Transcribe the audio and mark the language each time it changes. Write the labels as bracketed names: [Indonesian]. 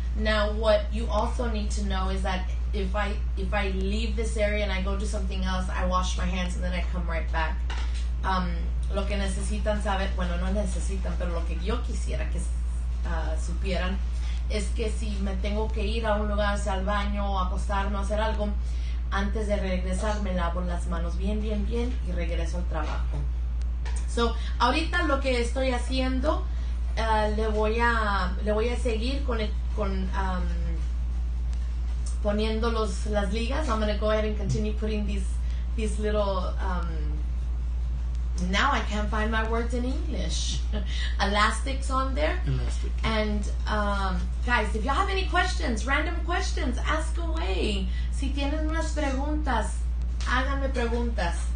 [English] Now, what you also need to know is that if I leave this area and I go do something else, I wash my hands and then I come right back. [Spanish] Lo que necesitan saber, bueno, no necesitan, pero lo que yo quisiera que supieran es que si me tengo que ir a un lugar, sea al baño o acostarme o hacer algo, antes de regresar me lavo las manos bien, bien, bien y regreso al trabajo. So, ahorita lo que estoy haciendo, le voy a seguir poniendo las ligas. [English] I'm going to go ahead and continue putting these little now I can't find my words in English. Elastics on there. Elastic. And guys, if you have any questions, random questions, ask away. [Spanish] Si tienen unas preguntas, háganme preguntas.